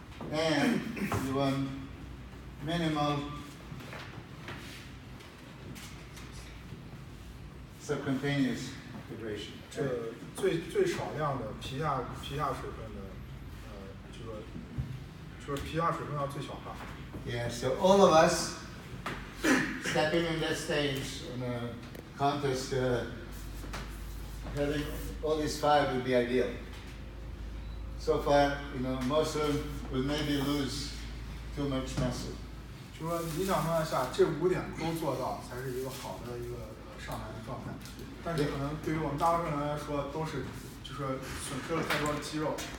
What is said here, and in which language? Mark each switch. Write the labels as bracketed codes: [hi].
[en] And you want minimal subcutaneous hydration. [zh] 这最少量的皮下水分的就是皮下水分要最小化。 [en] Yeah, so all of us stepping in that stage in a contest, having all these five would be ideal. So far, you know, most of them would maybe lose too much muscle. [zh] 就说理想状态下，这五点都做到才是一个好的一个上台的状态。但是可能对于我们大部分人来说，都是就是损失了太多的肌肉。